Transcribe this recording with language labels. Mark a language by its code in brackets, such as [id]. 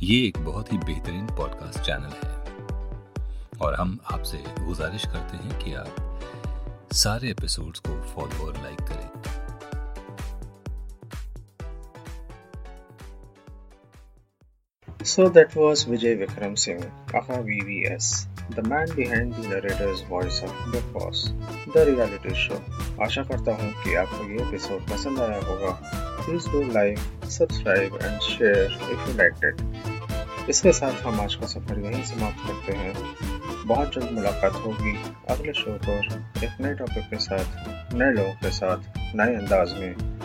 [hi] ये एक बहुत ही बेहतरीन पॉडकास्ट चैनल है और हम आपसे गुजारिश करते हैं कि आप सारे एपिसोड्स को फॉलो और लाइक करें. [en] So that was Vijay Vikram Singh, VVS. the man behind the narrator's voice of The Boss, the reality show. [hi] आशा करता हूँ कि आपको ये एपिसोड पसंद आया होगा. [en] Please do like, subscribe and share if you liked it. [hi] इसके साथ हम आज का सफर यहीं समाप्त करते हैं. बहुत जल्द मुलाकात होगी अगले शो पर एक नए टॉपिक के साथ, नए लोगों के साथ, नए अंदाज में.